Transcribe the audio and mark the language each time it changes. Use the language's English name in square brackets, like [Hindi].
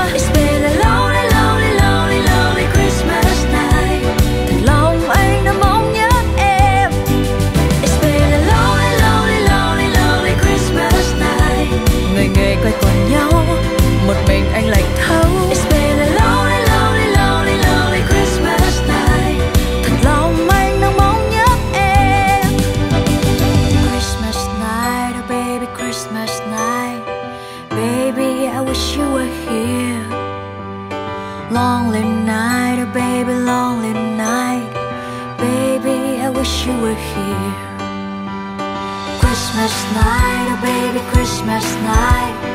[English] It's been a lonely, lonely, lonely, lonely Christmas night. [Vietnamese] Thật lòng anh đã mong nhớ em. [English] It's been a lonely, lonely, lonely, lonely Christmas night. [Vietnamese] Người người quay quần nhau, một mình anh lạnh thấu. [English] It's been a lonely, lonely, lonely, lonely Christmas night. [Vietnamese] Thật lòng anh đã mong nhớ em. [English] Christmas night, oh baby, Christmas night. Baby, I wish you were here. Lonely night, oh baby, lonely night. Baby, I wish you were here. Christmas night, oh baby, Christmas night.